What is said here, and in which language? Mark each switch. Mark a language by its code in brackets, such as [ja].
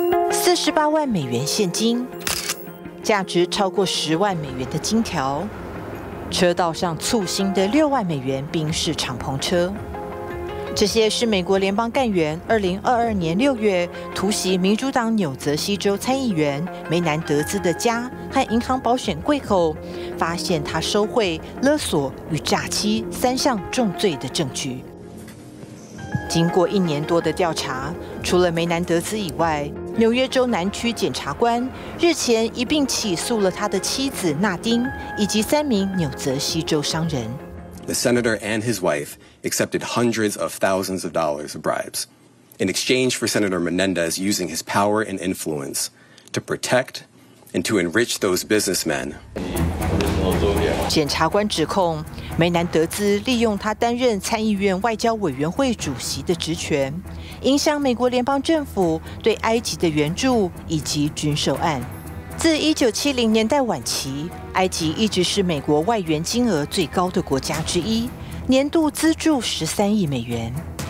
[zh] 48万美元现金，价值超过10万美元的金条，车道上簇新的6万美元宾士敞篷车，这些是美国联邦干员2022年6月突袭民主党纽泽西州参议员梅南德兹的家和银行保险柜后，发现他收贿、勒索与诈欺3项重罪的证据。经过1年多的调查，除了梅南德兹以外，纽约州南区检察官日前一并起诉了他的妻子纳丁以及3名纽泽西州商人。 [en] The senator and his wife accepted hundreds of thousands of dollars of bribes in exchange for Senator Menendez using his power and influence to protect and to enrich those businessmen. [zh] 检察官指控梅南德兹利用他担任参议院外交委员会主席的职权，影响美国联邦政府对埃及的援助以及军售案。自1970年代晚期，埃及一直是美国外援金额最高的国家之一，年度资助13亿美元。